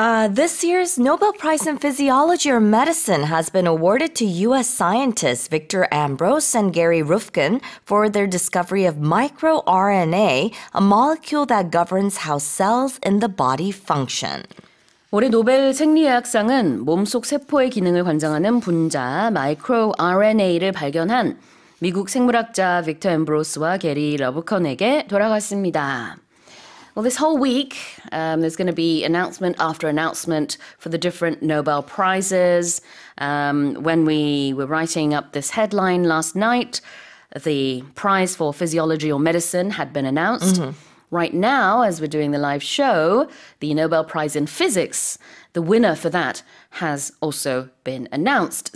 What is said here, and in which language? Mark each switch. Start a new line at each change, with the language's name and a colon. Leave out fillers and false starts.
English: This year's Nobel Prize in Physiology or Medicine has been awarded to U.S. scientists Victor Ambros and Gary Ruvkun for their discovery of microRNA, a molecule that governs how cells in the body function.
Korean: 올해 노벨 생리의학상은 몸속 세포의 기능을 관장하는 분자 microRNA를 발견한 미국 생물학자 빅터 앰브로스와 게리 러브컨에게 돌아갔습니다.
English: Well, this whole week, there's going to be announcement after announcement for the different Nobel Prizes. When we were writing up this headline last night, the prize for physiology or medicine had been announced. Mm-hmm. Right now, as we're doing the live show, the Nobel Prize in Physics, the winner for that has also been announced.